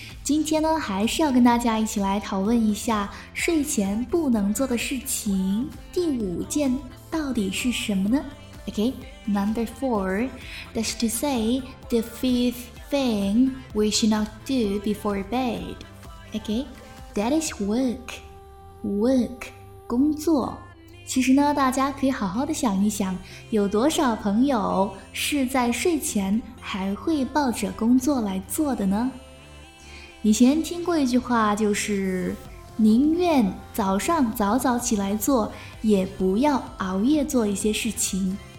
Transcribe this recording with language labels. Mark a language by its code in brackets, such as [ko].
[zh] 今天呢，还是要跟大家一起来讨论一下睡前不能做的事情，第五件到底是什么呢？ [en] Okay, number four, that's to say, the fifth thing we should not do before bed. Okay, that is work. Work, 工作。 [zh] 其实呢，大家可以好好的想一想，有多少朋友是在睡前还会抱着工作来做的呢？以前听过一句话，就是宁愿早上早早起来做，也不要熬夜做一些事情。